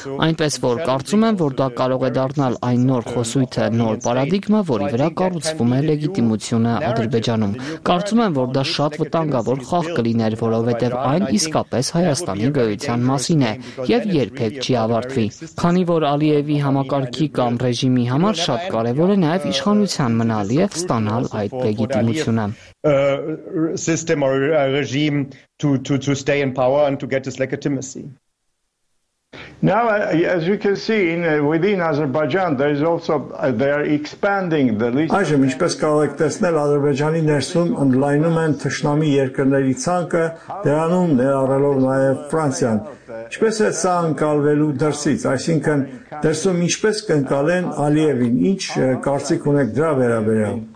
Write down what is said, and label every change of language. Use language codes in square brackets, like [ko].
[hy] Այնպես որ կարծում եմ, որ դա կարող է դառնալ այն նոր խոսույթը, նոր պարադիգմը, որի վրա կառուցվում է լեգիտիմությունը Ադրբեջանում։ Կարծում եմ, որ դա շատ վտանգավոր խաղ կլիներ, որովհետև այն իսկապես Հայաստանի գոյության մասին է և երբեք չի ավարտվի։ Քանի որ Ալիևի համակարգի կամ ռեժիմի համար շատ կարևոր է նաև իշխանության մնալ և ստանալ այդ լեգիտիմությունը. [en] System or regime to stay in power and to get this legitimacy. Now, as you can see, within Azerbaijan, there is also they are expanding the list. [hy] Այժմ ինչպես կարող եք տեսնել, Ադրբեջանի ներսում ընդլայնում են թշնամի երկրների ցանկը, դրանում ներառելով նաև Ֆրանսիան։ Ինչպես է սա ընկալվելու դրսից, այսինքն դրսում ինչպես կընկալեն Ալիևին, ինչ կարծիք ունեք դրա վերաբերյալ։